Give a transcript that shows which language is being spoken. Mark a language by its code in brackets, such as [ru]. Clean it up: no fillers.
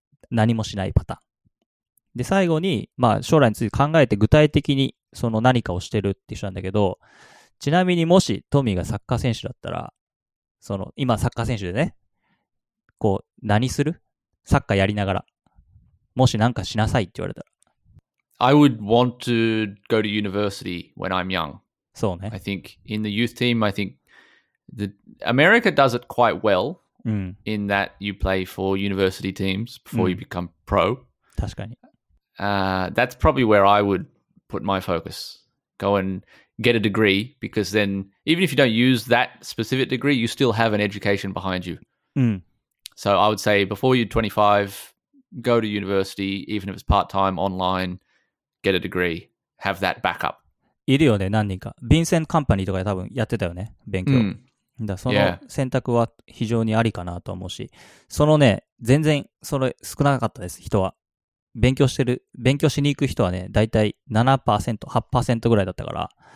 [ja] 何もしないパターンで、最後にまあ将来について考えて具体的にその何かをしてるって人なんだけど、ちなみにもしトミーがサッカー選手だったら、その今サッカー選手でね、こう何する、サッカーやりながらもし何かしなさいって言われたら、 [en] I would want to go to university when I'm young. [ja] そうね。 [en] I think in the youth team, I think America does it quite well、 [ja] うん、 [en] in that you play for university teams before、うん、you become pro. [ja] 確かに。 [en] That's probably where I would put my focus. Go and get a degree, because then even if you don't use that specific degree, you still have an education behind you. Mm. So I would say before you're 25, go to university, even if it's part-time, online, get a degree, have that backup. [ja] いるよね、何人か。ヴィンセントカンパニーとかで多分やってたよね、勉強。だその選択は非常にありかなと思うし、そのね、全然それ少なかったです、人は。勉強してる、勉強しに行く人はね、大体 7%、8% ぐらいだったから。